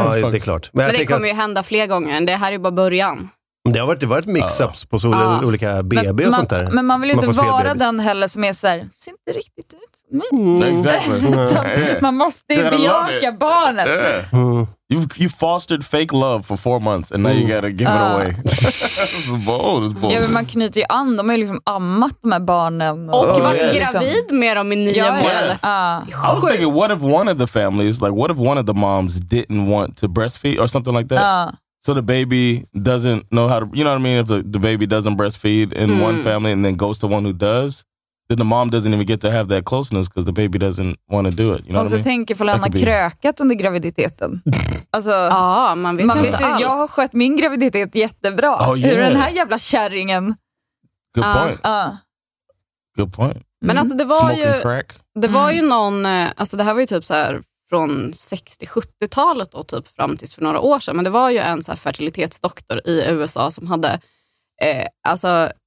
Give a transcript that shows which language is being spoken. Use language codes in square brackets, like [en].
[sv] Det är klart. Men det kommer ju hända fler gånger. Det här är ju bara början. Det har varit mix-ups på så olika BB och sånt där. Men man vill ju inte vara den heller som är så här, ser inte riktigt ut. Man måste bejaka barnet. [en] You fostered fake love for 4 months and now you gotta give it away. It's bold. [sv] Ja, men man knyter ju an, de har ju liksom ammat de här barnen och varit gravid med dem i 9 månader. [en] I was thinking, what if one of the families, like what if one of the moms didn't want to breastfeed or something like that? So the baby doesn't know how to, you know what I mean, if the baby doesn't breastfeed in one family and then goes to one who does, then the mom doesn't even get to have that closeness because the baby doesn't want to do it. what I mean? [sv] Och så tänker Falena krökat under graviditeten. Alltså, man vet inte alls. Jag har skött min graviditet jättebra. [en] Oh, yeah. [sv] Hur den här jävla kärringen. [en] Good point. [sv] Men alltså det var ju någon, alltså det här var ju typ så här från 60-70-talet och typ fram tills för några år sedan. Men det var ju en så här fertilitetsdoktor i USA som hade, alltså...